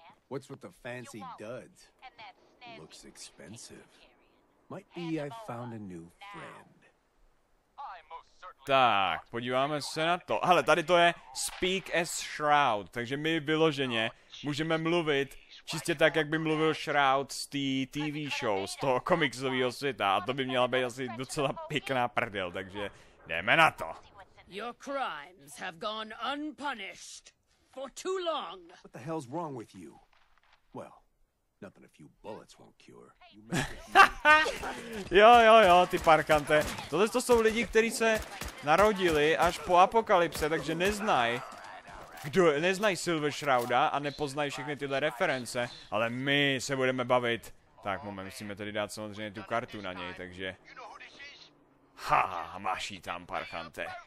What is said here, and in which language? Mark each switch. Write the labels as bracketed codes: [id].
[en] What's with the fancy duds? Looks expensive. Might be I found a new friend. [cs] Tak, podíváme se na to. Ale tady to je Speak as Shroud, takže my vyloženě můžeme mluvit čistě tak, jak by mluvil Shroud z té TV show, z toho komiksového světa. A to by měla být asi docela pěkná prdel, takže jdeme na to. [en] Your crimes have gone unpunished for too long. What the hell's wrong with you? Well, nothing a few bullets won't cure. [cs] Jo, jo, jo, ty parkante. Tohle to jsou lidi, kteří se narodili až po apokalypse, takže neznaj. Kdo neznaj Silver Shrouda a nepoznaj všechny tyhle reference, ale my se budeme bavit. Tak, moment, musíme tady dát samozřejmě tu kartu na něj, takže... Haha, máš jí tam, parkante.